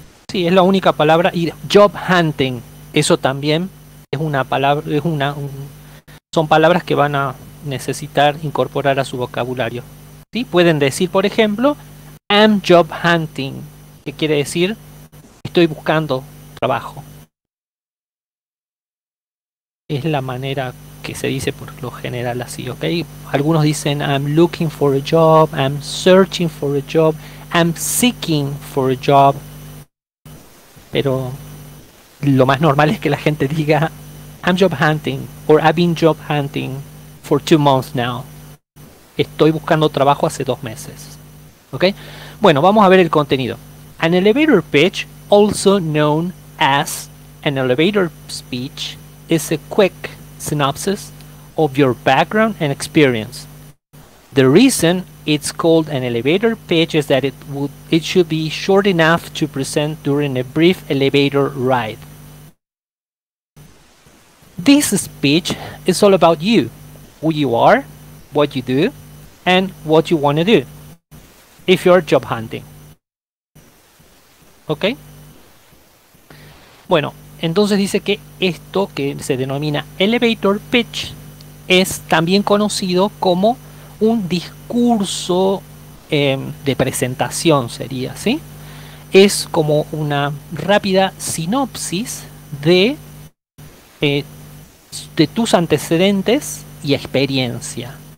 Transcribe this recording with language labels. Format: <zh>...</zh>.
<es>Sí, es la única palabra. Y job hunting, eso también es una palabra, es una, son palabras que van a necesitar incorporar a su vocabulario. ¿Sí? Pueden decir, por ejemplo,</es> <en>I'm job hunting,</en> <es>que quiere decir estoy buscando trabajo. Es la manera que se dice por lo general así, ¿ok? Algunos dicen,</es> <en>I'm looking for a job, I'm searching for a job, I'm seeking for a job.</en> <es>Pero lo más normal es que la gente diga,</es> <en>I'm job hunting, or I've been job hunting for 2 months now.</en> <es>Estoy buscando trabajo hace 2 meses, ¿ok? Bueno, vamos a ver el contenido.</es> <en>An elevator pitch, also known as an elevator speech, is a quick synopsis of your background and experience. The reason it's called an elevator pitch is that it should be short enough to present during a brief elevator ride. This speech is all about you, who you are, what you do, and what you want to do if you're job hunting. Okay?</en> <es>Bueno, entonces dice que esto que se denomina elevator pitch es también conocido como un discurso de presentación, sería, ¿sí? Es como una rápida sinopsis de tus antecedentes y experiencia.</es>